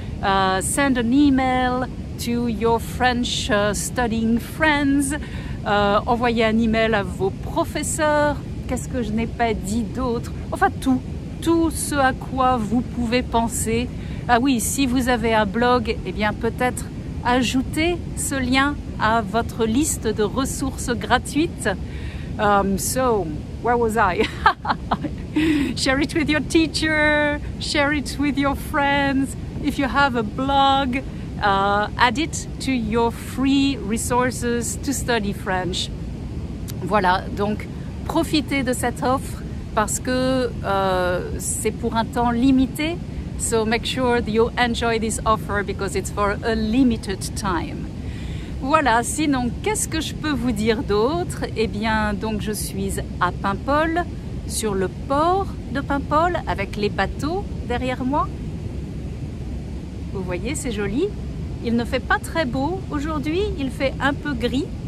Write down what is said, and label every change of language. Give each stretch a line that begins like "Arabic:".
English: Send an email to your French studying friends.
French: Envoyez un email à vos professeurs. Qu'est-ce que je n'ai pas dit d'autre? Enfin, tout. Tout ce à quoi vous pouvez penser. Ah oui, si vous avez un blog, eh bien peut-être ajoutez ce lien à votre liste de ressources gratuites.
English: So, where was I? Share it with your teacher, share it with your friends. If you have a blog, add it to your free resources to study French.
French: Voilà, donc profitez de cette offre. Parce que c'est pour un temps limité.
English: So make sure that you enjoy this offer because it's for a limited time.
French: Voilà, sinon, qu'est-ce que je peux vous dire d'autre? Eh bien, donc, je suis à Paimpol, sur le port de Paimpol, avec les bateaux derrière moi. Vous voyez, c'est joli. Il ne fait pas très beau aujourd'hui, il fait un peu gris.